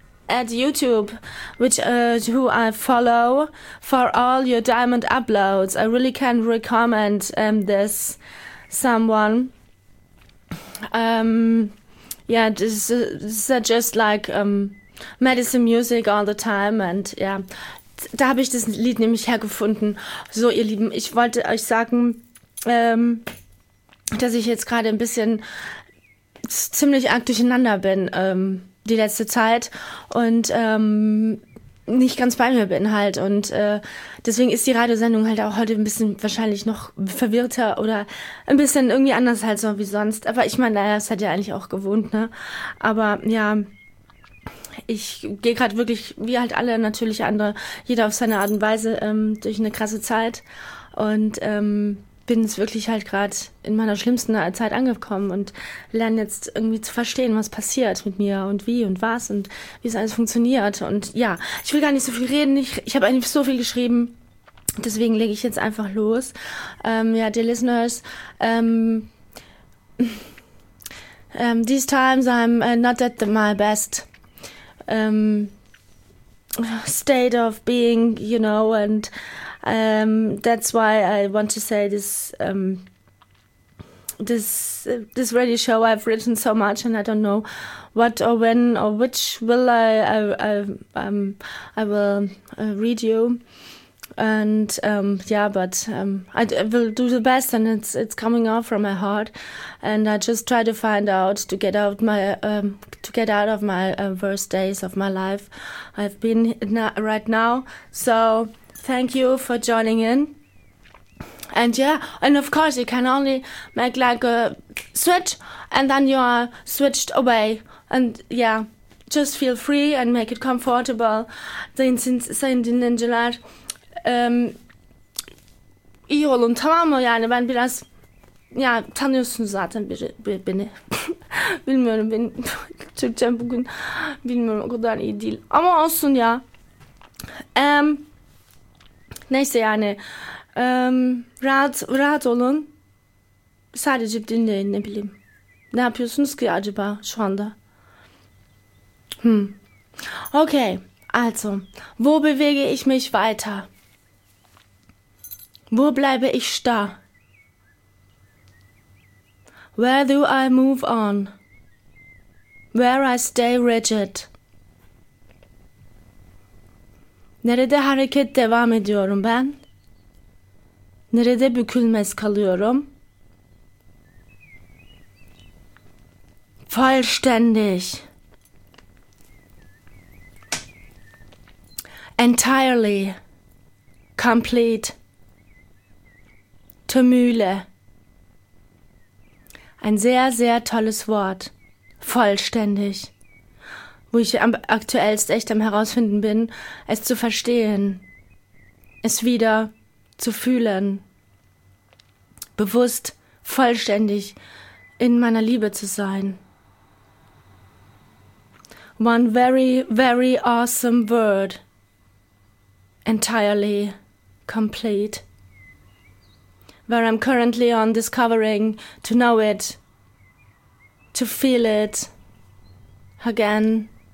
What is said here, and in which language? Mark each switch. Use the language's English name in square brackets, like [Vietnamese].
[English] at YouTube, who I follow for all your diamond uploads. I really can recommend this someone. Yeah, this is just like medicine music all the time. [German] And yeah, da habe ich das Lied nämlich hergefunden. So, ihr Lieben, ich wollte euch sagen, dass ich jetzt gerade ein bisschen ziemlich arg durcheinander bin, die letzte Zeit und nicht ganz bei mir bin halt und deswegen ist die Radiosendung halt auch heute ein bisschen wahrscheinlich noch verwirrter oder ein bisschen irgendwie anders halt so wie sonst, aber ich meine, naja, das hat ja eigentlich auch gewohnt, ne, aber ja, ich gehe gerade wirklich, wie halt alle natürlich andere, jeder auf seine Art und Weise durch eine krasse Zeit und bin es wirklich halt gerade in meiner schlimmsten Zeit angekommen und lerne jetzt irgendwie zu verstehen, was passiert mit mir und wie und was und wie es alles funktioniert. Und ja, ich will gar nicht so viel reden, ich habe eigentlich so viel geschrieben, deswegen lege ich jetzt einfach los. [English] Ja, dear listeners, these times I'm not at my best state of being, you know, and that's why I want to say this radio show. I've written so much, and I don't know what or when or which will I will read you. And I will do the best, and it's coming out from my heart. And I just try to find out to get out of my worst days of my life. I've been right now, so. Thank you for joining in. And yeah, and of course you can only make like a switch and then you are switched away. And yeah, just feel free and make it comfortable. Then since saying the ninja, Iol und Tamamo, ja, wenn wir das, ja, Tanius und Satan, bitte. [Turkish] Bilmiyorum, ben Türkçem bugün, bilmiyorum, o kadar iyi değil. Ama olsun ya. Neyse yani, rahat rahat olun, sadece dinleyin, ne bileyim. Ne yapıyorsunuz ki acaba şu anda? [German] Okay, also, wo bewege ich mich weiter? Wo bleibe ich starr? [English] Where do I move on? Where I stay rigid? [Turkish] Nerede hareket devam ediyorum ben? Nerede bükülmez kalıyorum? [German] Vollständig. [English] Entirely. Complete. Tümüyle. [German] Ein sehr, sehr tolles Wort. Vollständig. Wo ich aktuellst echt am herausfinden bin, es zu verstehen, es wieder zu fühlen, bewusst, vollständig in meiner Liebe zu sein. [English] One very, very awesome word. Entirely complete. Where I'm currently on discovering to know it, to feel it again.